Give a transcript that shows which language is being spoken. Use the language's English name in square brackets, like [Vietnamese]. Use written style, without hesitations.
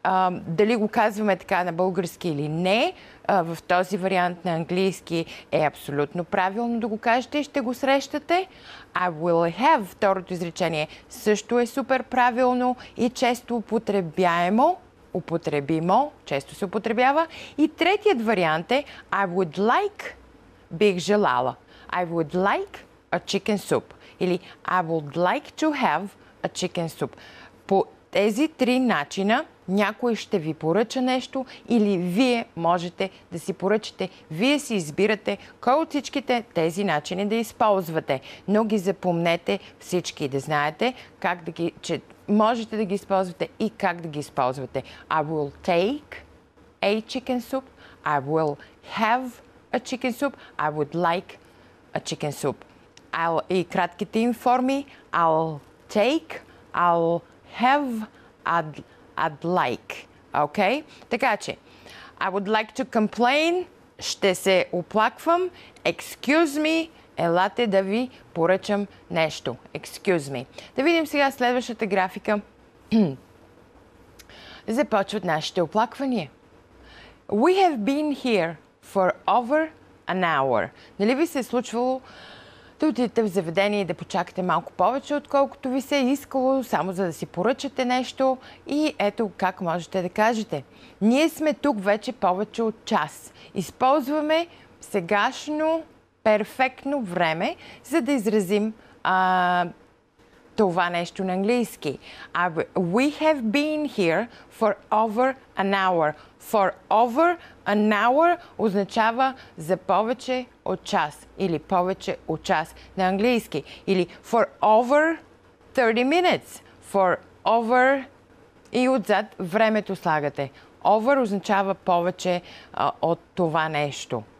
[Bulgarian] Дали го казваме така на български или не, в този вариант на английски е абсолютно правилно да го кажете и ще го срещате. [English] I will have, [Bulgarian] второто изречение, също е супер правилно и често употребяемо. употребимо, често се употребява. И третият вариант е [English] I would like, [Bulgarian] бих желала. [English] I would like a chicken soup. Или I would like to have a chicken soup. [Bulgarian] По тези три начина някой ще ви поръча нещо или вие можете да си поръчате. Вие си избирате кой от всичките тези начини да използвате. Но ги запомнете всички, да знаете как да ги, че можете да ги използвате и как да ги използвате. [English] I will take a chicken soup. I will have a chicken soup. I would like a chicken soup. I'll, [Bulgarian] и кратките им форми. [English] I'll take, I'll have, I'd like. Okay? [Bulgarian] Така че, [English] I would like to complain, [Bulgarian] ще се оплаквам. [English] Excuse me, [Bulgarian] елате да ви поръчам нещо. [English] Excuse me. [Bulgarian] Да видим сега следващата графика. Започват нашите оплаквания. [English] We have been here for over an hour. [Bulgarian] Нали ви се е случвало да отидете в заведение и да почакате малко повече, отколкото ви се е искало, само за да си поръчате нещо. И ето как можете да кажете. Ние сме тук вече повече от час. Използваме сегашно перфектно време, за да изразим това нещо на английски. [English] We have been here for over an hour. For over an hour [Bulgarian] означава за повече от час или повече от час на английски. Или [English] for over 30 minutes. For over [Bulgarian] и отзад времето слагате. Over означава повече от това нещо.